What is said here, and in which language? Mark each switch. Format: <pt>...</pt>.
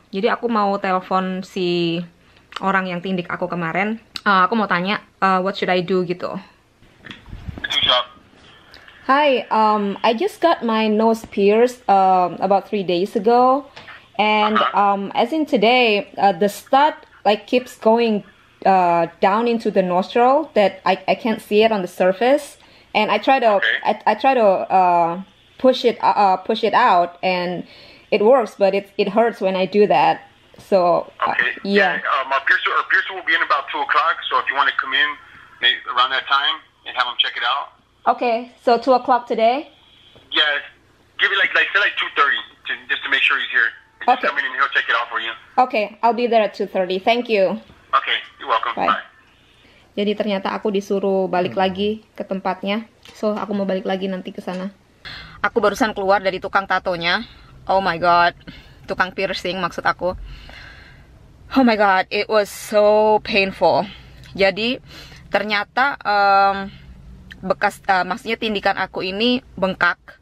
<id>Jadi aku mau telepon si orang yang tindik aku kemarin, aku mau tanya,</id> <en>what should I do</en> <id>gitu.</id> <en>Hi, I just got my nose pierced about 3 days ago, and as in today, the stud like keeps going down into the nostril that I can't see it on the surface, and I try to push it out, and it works, but it hurts when I do that. So okay. Yeah. My piercer will be in about 2 o'clock. So if you want to come in maybe around that time and have him check it out. Okay, so 2 o'clock today? Yeah, give it like 2:30, just to make sure he's here. He's okay. Come in and he'll check it out for you. Okay, I'll be there at 2:30. Thank you. Okay, you're welcome. Bye. Bye.</en> <id>Jadi ternyata aku disuruh balik lagi ke tempatnya. So aku mau balik lagi nanti ke sana. Aku barusan keluar dari tukang tatonya. Oh my god, tukang piercing maksud aku.</id> <en>Oh my god, it was so painful.</en> <id>Jadi ternyata bekas, maksudnya tindikan aku ini bengkak.</id>